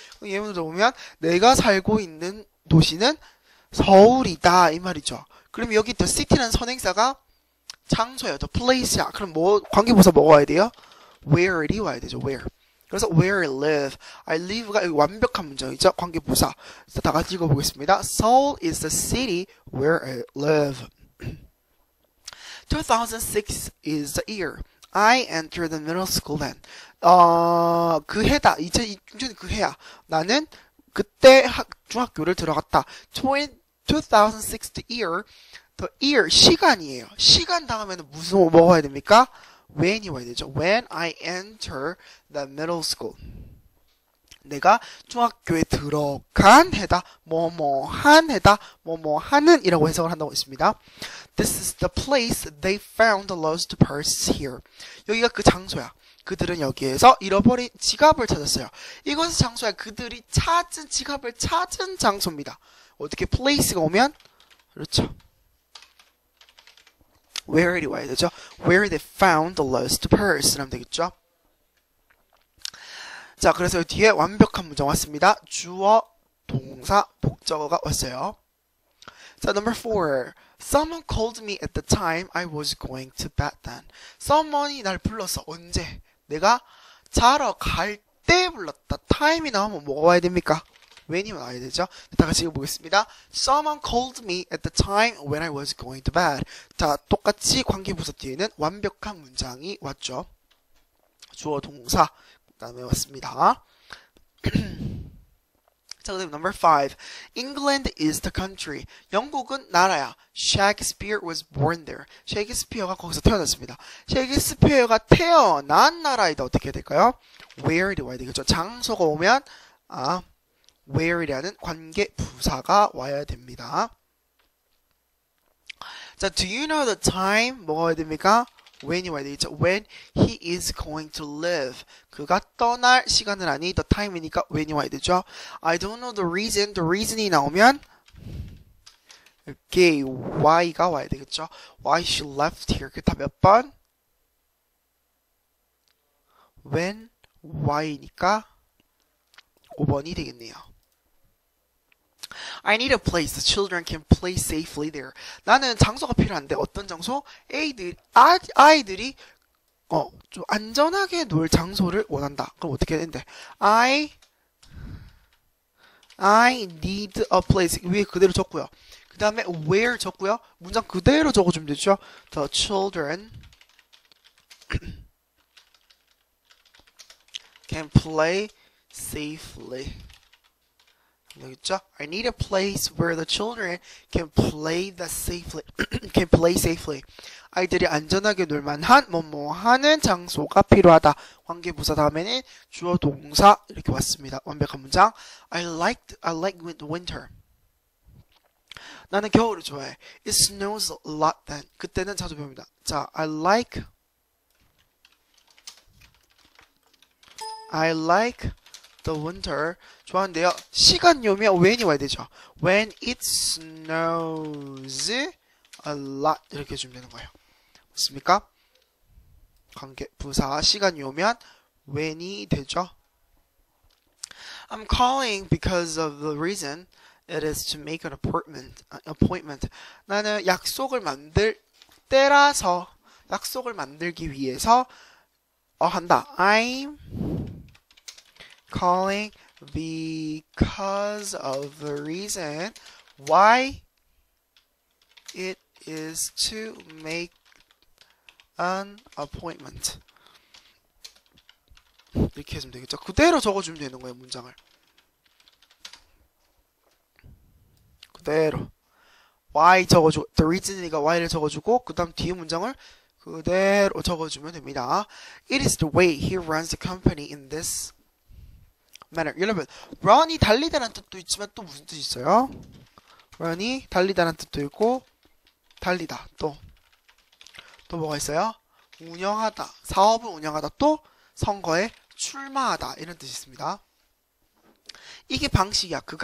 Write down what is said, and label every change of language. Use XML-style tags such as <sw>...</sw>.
<ko>예문을 보면 내가 살고 있는 도시는 서울이다, 이 말이죠. 그럼 여기 the city라는 선행사가 장소예요.</ko> <en>the place</en> <ko>야. 그럼 뭐 관계부사 뭐가 와야 돼요? where이 와야 되죠. where. 그래서</ko> <en>where I live, I live</en> <ko>가 여기 완벽한 문장이죠. 관계부사. 다 같이 읽어보겠습니다.</ko> <en>Seoul is the city where I live. 2006 is the year I entered the middle school then.</en> <ko>그 해다. 2006년 그 해야. 나는 그때 중학교를 들어갔다.</ko> <en>2006th year. The year,</en> <ko>시간이에요. 시간 다음에는 무슨, 뭐가 해야 됩니까?</ko> <en>When이</en> <ko>와야 되죠.</ko> <en>When I enter the middle school.</en> <ko>내가 중학교에 들어간 해다, 뭐뭐 한 해다, 뭐뭐 하는 이라고 해석을 한다고 했습니다.</ko> <en>This is the place they found the lost purse here.</en> <ko>여기가 그 장소야. 그들은 여기에서 잃어버린 지갑을 찾았어요. 이곳은 장소야. 그들이 찾은 지갑을 찾은 장소입니다. 어떻게 place가 오면? 그렇죠. Where it 와야 되죠?</ko> <en>Where they found the lost purse</en> <ko>라면 되겠죠? 자, 그래서 뒤에 완벽한 문장 왔습니다. 주어, 동사, 목적어가 왔어요.</ko> <en>자, number four. Someone called me at the time I was going to bed then.</en> <ko>Someone이 날 불렀어. 언제? 내가 자러 갈때 불렀다. Time이 나오면 뭐가 와야 됩니까? When이 와야 되죠? 다 같이 읽어보겠습니다.</ko> <en>Someone called me at the time when I was going to bed.</en> <ko>자, 똑같이 관계부서 뒤에는 완벽한 문장이 왔죠. 주어, 동사. 다음에 왔습니다. 자, 그다음에 number 5.</ko> <en>England is the country.</en> <ko>영국은 나라야.</ko> <en>Shakespeare was born there.</en> <ko>셰익스피어가 거기서 태어났습니다. 셰익스피어가 태어난 나라이다. 어떻게 해야 될까요? Where 이 와야 되겠죠. 장소가 오면 where이라는 관계 부사가 와야 됩니다. 자,</ko> <en>do you know the time?</en> <ko>뭐가 와야 됩니까? When이 와야 되겠죠?</ko> <en>When he is going to live.</en> <ko>그가 떠날 시간은 아니,</ko> <en>the time이니까 when이 와야 되죠? I don't know the reason. The reason이 나오면, 이렇게 why가 와야 되겠죠? Why she left here.</en> <ko>그게 다몇 번? When, why이니까 5번이 되겠네요.</ko> <en>I need a place the children can play safely there.</en> <ko>나는 장소가 필요한데 어떤 장소? 아이들이 좀 안전하게 놀 장소를 원한다. 그럼 어떻게 해야 되는데?</ko> <en>I need a place</en> <ko>위에 그대로 적고요. 그 다음에 where 적고요. 문장 그대로 적어주면 되죠.</ko> <en>The children can play safely. 여기 있죠? I need a place where the children can play the safely. Can play safely.</en> <ko>아이들이 안전하게 놀 만한 뭐뭐 하는 장소가 필요하다. 관계부사 다음에는 주어 동사 이렇게 왔습니다. 완벽한 문장.</ko> <en>I like winter.</en> <ko>나는 겨울을 좋아해.</ko> <en>It snows a lot then.</en> <ko>그때는 자주 비옵니다.</ko> <en>자, I like The winter 좋아한대요.</en> <ko>시간이 오면 when이 와야 되죠.</ko> <en>When it snows a lot</en> <ko>이렇게 해주면 되는 거예요. 맞습니까? 관계 부사 시간이 오면 when이 되죠.</ko> <en>I'm calling because of the reason it is to make an appointment.</en> <ko>나는 약속을 만들기 위해서 한다.</ko> <en>I'm calling because of the reason why it is to make an appointment.</en> <ko>이렇게 해주면 되겠죠? 그대로 적어주면 되는 거예요, 문장을. 그대로. Why 적어주고, the reason이니까 why를 적어주고, 그 다음 뒤에 문장을 그대로 적어주면 됩니다.</ko> <en>It is the way he runs the company in this manner.</en> <ko>여러분, run이 달리다란 뜻도 있지만 또 무슨 뜻이 있어요? run이 달리다란 뜻도 있고, 달리다, 또. 또 뭐가 있어요? 운영하다, 사업을 운영하다, 또 선거에 출마하다, 이런 뜻이 있습니다. 이게 방식이야.</ko>